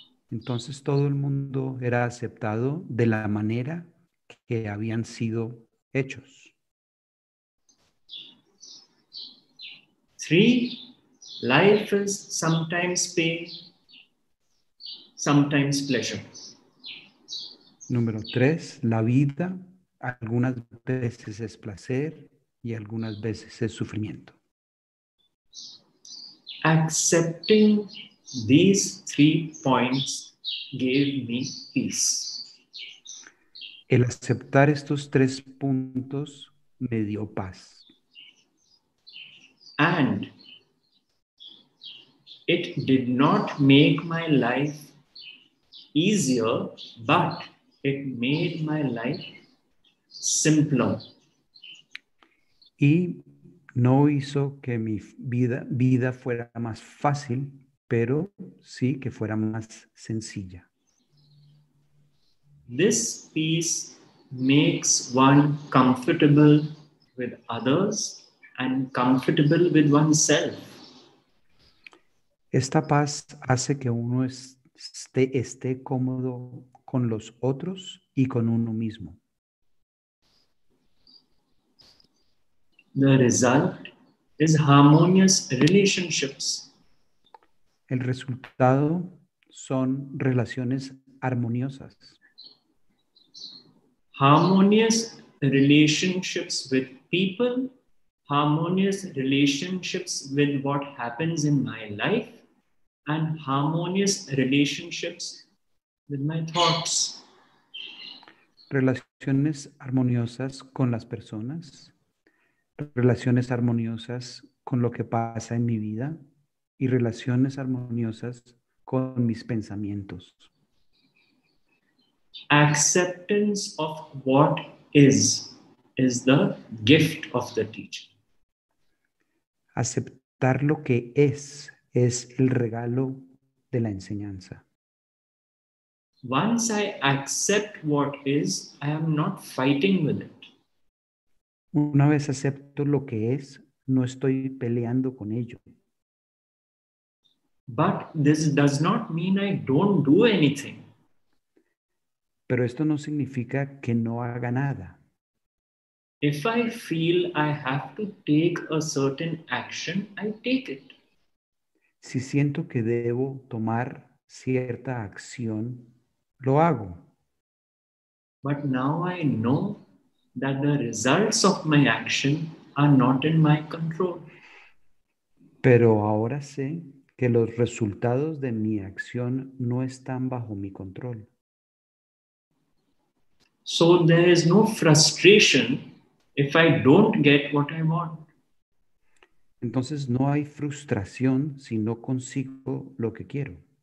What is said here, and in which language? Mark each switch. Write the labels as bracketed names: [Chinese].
[Spanish] Entonces todo el mundo era aceptado de la manera que habían sido hechos. [English] Three, life is sometimes pain, sometimes pleasure. [Spanish] Número tres, la vida algunas veces es placer y algunas veces es sufrimiento. [English] Accepting these three points gave me peace. [Spanish] El aceptar estos tres puntos me dio paz. [English] And it did not make my life easier, but it made my life simpler. [Spanish] Y no hizo que mi vida fuera más fácil, pero sí que fuera más sencilla. [English] This peace makes one comfortable with others and comfortable with oneself. [Spanish] Esta paz hace que uno esté cómodo con los otros y con uno mismo. [English] The result is harmonious relationships. [Spanish] El resultado son relaciones armoniosas. [English] Harmonious relationships with people, harmonious relationships with what happens in my life, and harmonious relationships with my thoughts. [Spanish] Relaciones armoniosas con las personas, relaciones armoniosas con lo que pasa en mi vida y relaciones armoniosas con mis pensamientos. [English] Acceptance of what is the gift of the teacher. [Spanish] Aceptar lo que es el regalo de la enseñanza. [English] Once I accept what is, I am not fighting with it. [Spanish] Una vez acepto lo que es, no estoy peleando con ello. [English] But this does not mean I don't do anything. [Spanish] Pero esto no significa que no haga nada. [English] If I feel I have to take a certain action, I take it. [Spanish] Si siento que debo tomar cierta acción, lo hago. [English] But now I know that the results of my action are not in my control. [Spanish] Pero ahora sé que los resultados de mi acción no están bajo mi control. [English] So there is no frustration if I don't get what I want. [Spanish] Entonces no hay frustración si no consigo lo que quiero.